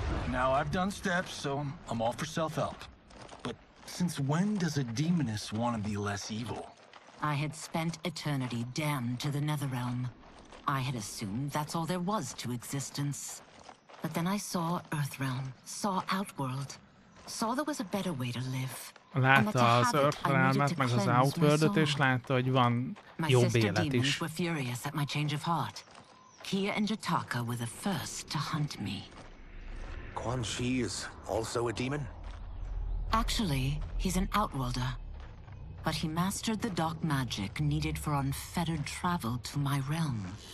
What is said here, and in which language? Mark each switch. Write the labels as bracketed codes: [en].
[en] Now I've done steps, so I'm all for self-help. But since when does a demoness want to be less evil? I had spent eternity damned to the Netherrealm. I had assumed that's all there was to existence. But then I saw Earthrealm, saw Outworld, saw there was a better way to live. [hu] Látta az Earthrealmet, meg az Outworldot, és látta, hogy van jobb élet is. [en] My sister demons were furious at my change of heart. Kia and Jataka were the first to hunt me. Quan Chi is also a demon? Actually, he's an Outworlder. But he mastered the dark magic needed for unfettered travel to my realm.